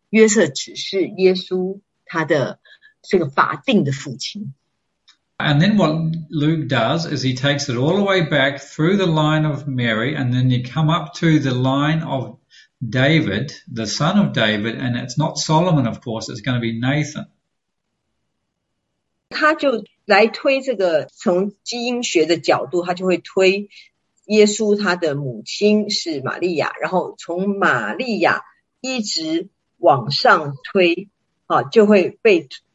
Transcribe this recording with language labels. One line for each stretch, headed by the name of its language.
Chinese: 因为呢，很多人呢，在当时呢，都会认为以为约瑟就是耶稣的，应该说真实的父亲啊。但是，路加在这边呢，就要表明说，约瑟只是耶稣他的。这个法定的父亲。
English: And then what Luke does is he takes it all the way back through the line of Mary, and then you come up to the line of David, the son of David, and it's not Solomon, of course, it's going to be Nathan.
Chinese: 他就来推这个，从基因学的角度，他就会推耶稣他的母亲是玛利亚，然后从玛利亚一直往上推，啊，就会被。